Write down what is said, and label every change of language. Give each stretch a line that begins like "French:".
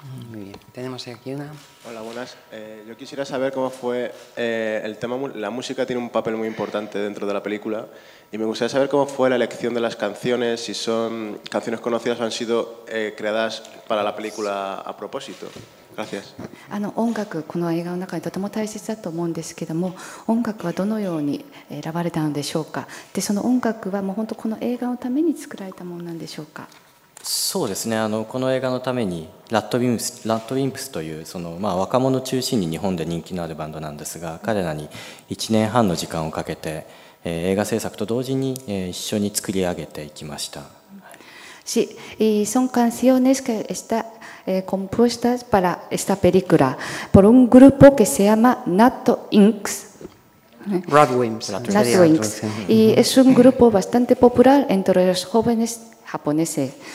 Spanish: Muy bien, tenemos aquí una. Hola, buenas. Yo quisiera saber cómo fue el tema. La música tiene un papel muy importante dentro de la película y me gustaría saber cómo fue la elección de las canciones, si son canciones conocidas o han sido creadas para la película a propósito. Gracias.
Japanese: 音楽、この映画の中でとても大切だと思うんですけども、音楽はどのように選ばれたのでしょうか。で、その音楽はもう本当この映画のために作られたものなんでしょうか。そうですね、この映画のためにラッドウィンプスというその、まあ、若者中心に日本で人気のあるバンドなんですが、彼らに1年半の時間をかけて、映画制作と同時に、一緒に作り上げていきました。
Spanish: Sí, y son canciones que están compuestas para esta película por un grupo que se llama Nat Inks. Radwimps. Y es un grupo bastante popular entre los jóvenes japoneses.